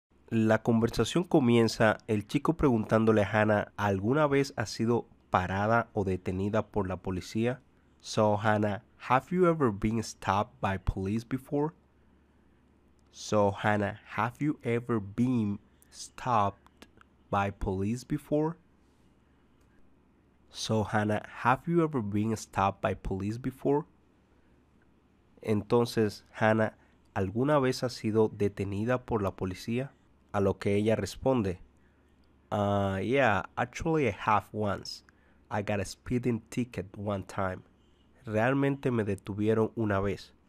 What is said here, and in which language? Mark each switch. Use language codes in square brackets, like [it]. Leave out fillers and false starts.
[es] La conversación comienza el chico preguntándole a Hannah, ¿alguna vez ha sido parada o detenida por la policía? [en] So, Hannah, have you ever been stopped by police before? So, Hannah, have you ever been stopped by police before? So, Hannah, have you ever been stopped by police before? [es] Entonces, Hannah, ¿alguna vez ha sido detenida por la policía? A lo que ella responde, [en] actually I have once. I got a speeding ticket one time. [es] Realmente me detuvieron una vez.